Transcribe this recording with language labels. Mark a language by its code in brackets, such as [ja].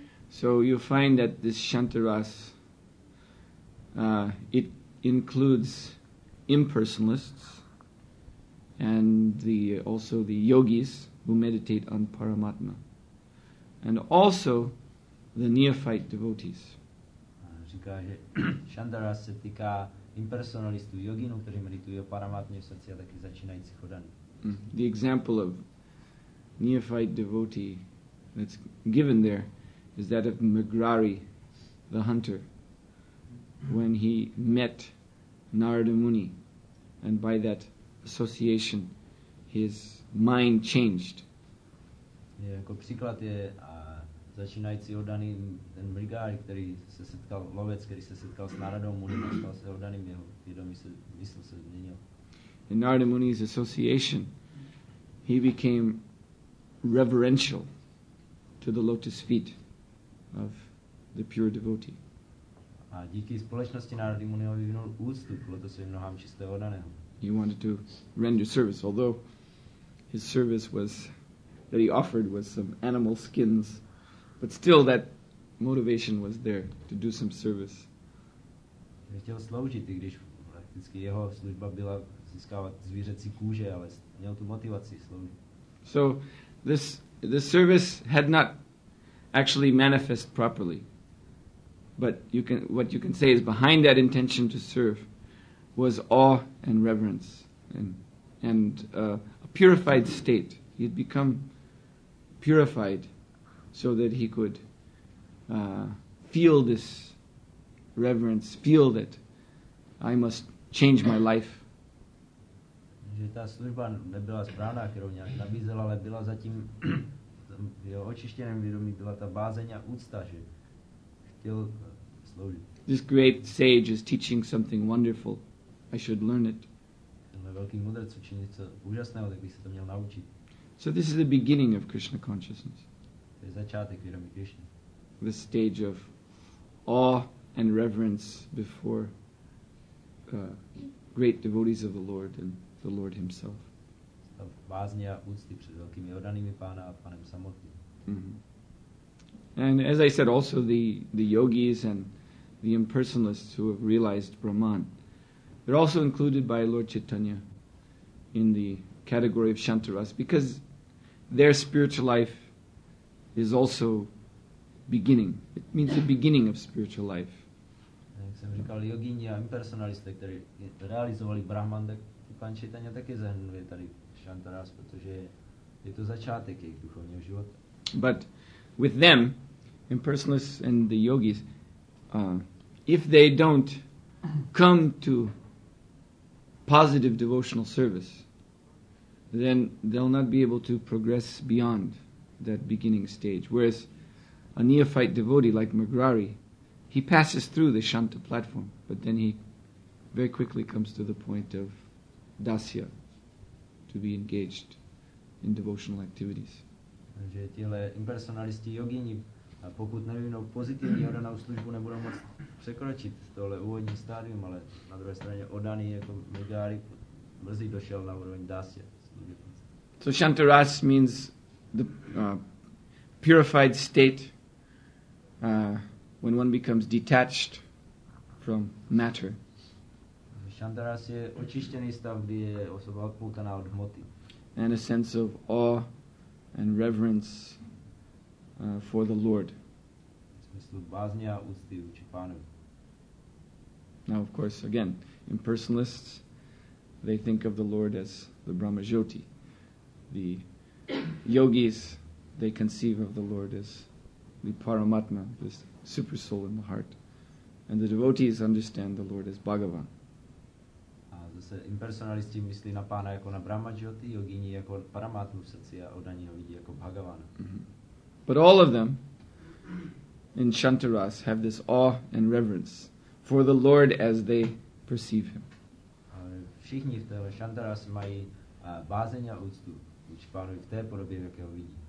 [en] So you find that this Shantaras, it includes impersonalists and the also the yogis who meditate on Paramatma and also the neophyte devotees. [cs] Říká, že Shantaras se týká impersonalistů, yoginů, kteří meditují o Paramatmě v srdci a taky začínajících odaných. [en] The example of neophyte devotee that's given there is that of Magrari, the hunter, when he met Narada Muni, and by that association his mind changed. [cs] Jako příklad je začínající oddaný ten Mrigár, který se setkal, lovec, který se setkal s Náradou Muni, stal se oddaným, jeho vědomí se, mysl se změnil. [en] In Narada Muni's association, he became reverential to the lotus feet of the pure devotee. [cs] A díky společnosti Narada Muni vyvinul úctu k lotusovým nohám čistého oddaného. [en] He wanted to render service, although his service was that he offered was some animal skins, but still that motivation was there to do some service. [cs] He chtěl sloužit, když prakticky jeho služba byla získávat zvířecí kůže, ale měl tu motivaci sloužit. [en] So this service had not actually manifest properly, but what you can say is behind that intention to serve was awe and reverence and a purified state. He had become purified so that he could feel this reverence, feel that I must change my life. [cs] Že ta služba nebyla správná, kterou nějak nabízela, ale byla zatím v jeho očištěném vědomí byla ta bázeň a úcta, že chtěl sloužit. [en] This great sage is teaching something wonderful. I should learn it. [cs] Tenhle velký mudrec učí něco úžasného, tak bych se to měl naučit. [en] So this is the beginning of Krishna consciousness. [cs] To je začátek vědomí Krishna. [en] The stage of awe and reverence before great devotees of the Lord and the Lord himself. [cs] Stav bázně a úcty před velkými oddanými pána a pánem samotným. Mm-hmm. [en] And as I said, also the yogis and the impersonalists who have realized Brahman, they're also included by Lord Chaitanya in the category of Shantaras because their spiritual life is also beginning. It means the beginning of spiritual life. [cs] Jak jsem říkal, yogini a impersonalisté, kteří realizovali Brahman, tak pán Chaitanya také zahrnuje tady Shantaras, protože je to začátek jejich duchovního života. [en] But with them, impersonalists and the yogis, if they don't come to positive devotional service, then they'll not be able to progress beyond that beginning stage. Whereas a neophyte devotee like Magrari, he passes through the Shanta platform, but then he very quickly comes to the point of dasya, to be engaged in devotional activities. [cs] Takže tihle impersonalisti yogini, pokud nevyvinou pozitivní oddanou službu, nebudou moc překročit tohle úvodní stádium, ale na druhé straně oddaný jako Magrari brzy došel na úroveň dasya. [en] So Shantaras means the purified state when one becomes detached from matter. [cs] Shantaras je očištěný stav, kdy je osoba odpoutaná od hmoty. [en] And a sense of awe and reverence for the Lord. [cs] V smyslu bázně a úcty vůči pánovi. [en] Now of course, again, impersonalists, they think of the Lord as the Brahma Jyoti. The yogis, they conceive of the Lord as the Paramatma, the super soul in the heart. And the devotees understand the Lord as Bhagavan. [cs] A zase impersonalisti myslí na pána jako na Brahma Jyoti, yogini jako Paramatmu v srdci a oddaní ho vidí jako Bhagavana. Mm-hmm. [en] But all of them in Shantaras have this awe and reverence for the Lord as they perceive him. [cs] Všichni v téhle Shantaras mají bázeň a úctu vůči pánovi v té podobě, jak ho vidí.